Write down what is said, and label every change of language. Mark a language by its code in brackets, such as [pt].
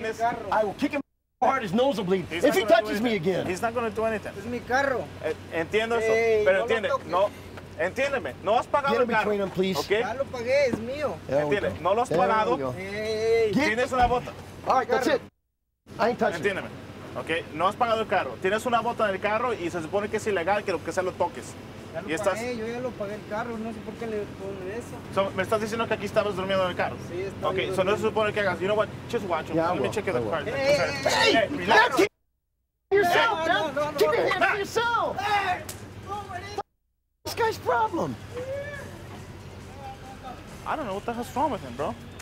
[en] Keep him off. I will kick him hard, his nose will bleed. If he touches me again. He's not going to do anything. [es] Es mi carro. Entiendo eso, pero entiende, no. Entiéndeme, no has pagado el carro. [en] Get in between them, please. Okay? [es] Ya lo pagué, es mío. Entiende, no lo has pagado. Tienes una bota. [en] All right, that's it. I ain't touching. [es] Entiéndeme, okay? No has pagado el carro. Tienes una bota en el carro y se supone que es ilegal que lo que sea lo toques. Ya lo pagué, yo ya lo pagué el carro, no sé por qué le pone eso. So, me estás diciendo que aquí estabas durmiendo en el carro. Sí, estaba. [en] Okay, so [es] no se supone que hagas. [en] You know what? Just watch him. Let me check the car. Hey, relax. Keep your hands to yourself. Hey, this guy's problem. I don't know what the hell's wrong with him, bro.